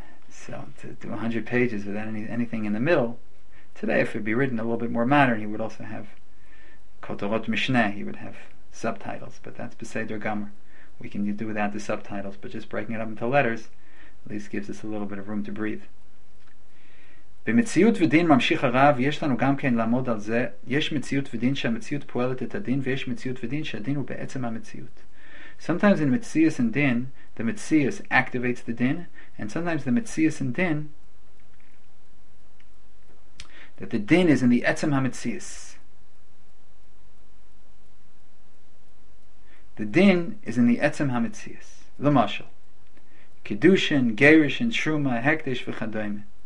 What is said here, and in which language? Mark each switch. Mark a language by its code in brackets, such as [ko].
[en] So to do 100 pages without anything in the middle, today if it would be written a little bit more modern, he would also have Kotorot Mishneh, he would have subtitles, but that's [he] Beseder Gamor. [en] We can do without the subtitles, but just breaking it up into letters at least gives us a little bit of room to breathe. [he] במציאות ודין ממשיך הרב, יש לנו גם כן לעמוד על זה, יש מציאות ודין שהמציאות פועלת את הדין, ויש מציאות ודין שהדין הוא בעצם המציאות. [en] Sometimes in Metzius and Din, the Metzius activates the din, and sometimes the Metzius and Din, that the din is in the Etzem HaMetzius. The din is in the Etzem HaMetzius. L'mashal, Kedushin, Gerishin, Shruma, Hekdesh, V'chadoyme.